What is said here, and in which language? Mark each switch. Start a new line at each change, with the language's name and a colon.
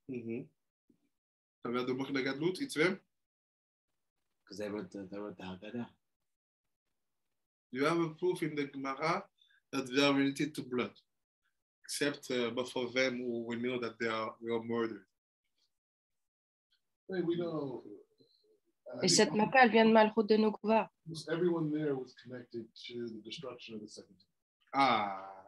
English: Mm-hmm. So the Moch Gadlut, it's them? Because they wrote the Agadah. Do you have a proof in the Gemara that they are related to blood? Except but for them who we know that they are murdered. Hey, we know.
French: Et cette maca vient de Malchut de Nukva.
English: Everyone there was connected to the destruction of the second temple.